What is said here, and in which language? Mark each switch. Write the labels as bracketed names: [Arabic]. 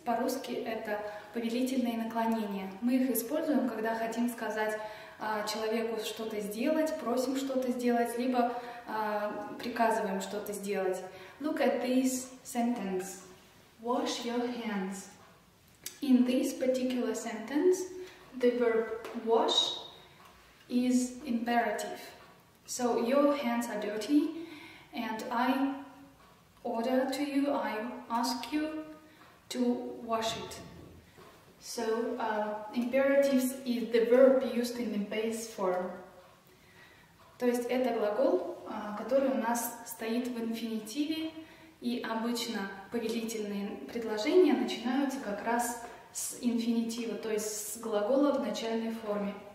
[Russian] По-русски это повелительные наклонения. Мы их используем, когда хотим сказать человеку что-то сделать, просим что-то сделать, либо приказываем что-то сделать. [English] Look at this sentence. Wash your hands. In this particular sentence, the verb wash is imperative. So your hands are dirty and I order to you, I ask you to wash it. So imperatives is the verb used in the base form. [Russian] То есть это глагол, который у нас стоит в инфинитиве. И обычно повелительные предложения начинаются как раз с инфинитива, то есть с глагола в начальной форме.